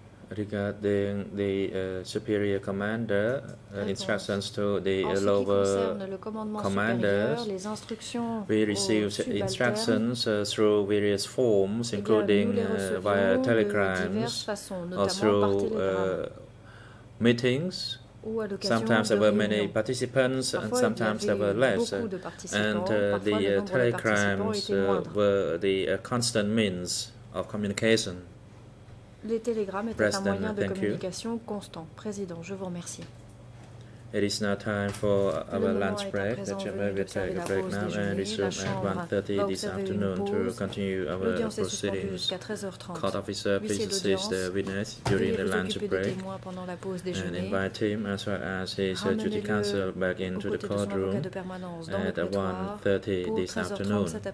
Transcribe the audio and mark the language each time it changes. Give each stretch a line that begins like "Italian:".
English: Regarding the superior commander, instructions to the lower commander, we received instructions through various forms, including via telegrams or through meetings. Sometimes there were many participants, and sometimes there were less. And the telegrams were the constant means of communication.
French: Les télégrammes étaient un moyen de communication constant. Président, je vous remercie.
English: It is now time for our lunch break. The chamber will take a break now and resume at 1:30 this afternoon to continue our proceedings. Court officer, please assist the witness during the lunch break and invite him as well as his duty counsel back into the courtroom at 1:30 this afternoon.